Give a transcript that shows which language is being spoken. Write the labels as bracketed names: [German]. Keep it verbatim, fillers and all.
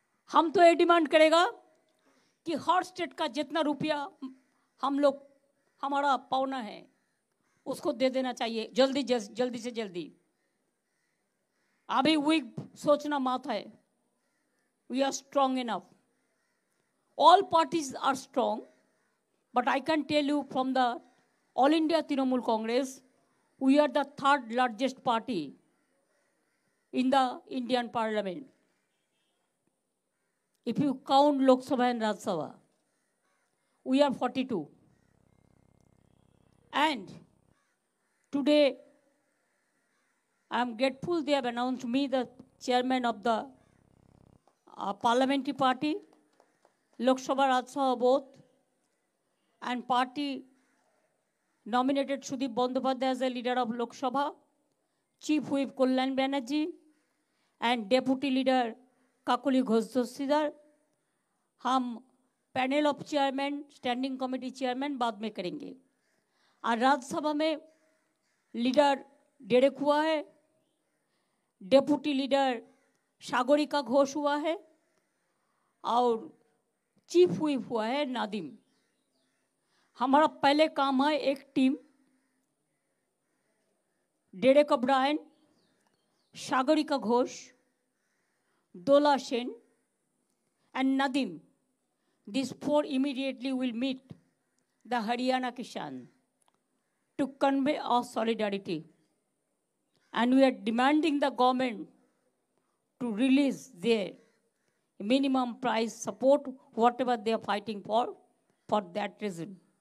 [Hindi] हम तो ये डिमांड करेगा कि हर स्टेट का जितना रुपया हम लोग हमारा पावना है उसको दे देना चाहिए जल्दी जल्दी से जल्दी। अभी वीक सोचना मत है, [English] We are strong enough, all parties are strong. But I can tell you from the All India Trinamool Congress, we are the third largest party in the Indian Parliament. If you count Lok Sabha and Rajya Sabha, we are forty-two. And today, I am grateful they have announced me the chairman of the uh, parliamentary party, Lok Sabha, Rajya Sabha both. And party nominated Sudip Bandyopadhyay as the leader of Lok Sabha, Chief Whip Kalyan Banerjee, and Deputy Leader Kakuli Ghosh Dostidar. [Hindi] हम panel of chairman, standing committee chairman बाद में करेंगे। और राज्यसभा में leader Derek हुआ है, deputy leader Sagarika Ghosh हुआ है और चीफ व्हिप हुआ है नादिम। हमारा पहले काम है एक team, Derek O'Brien, Sagarika Ghosh, [English] Dola Sen, and Nadim. These four immediately will meet the Haryana Kishan to convey our solidarity. And we are demanding the government to release their minimum price support, whatever they are fighting for, for that reason.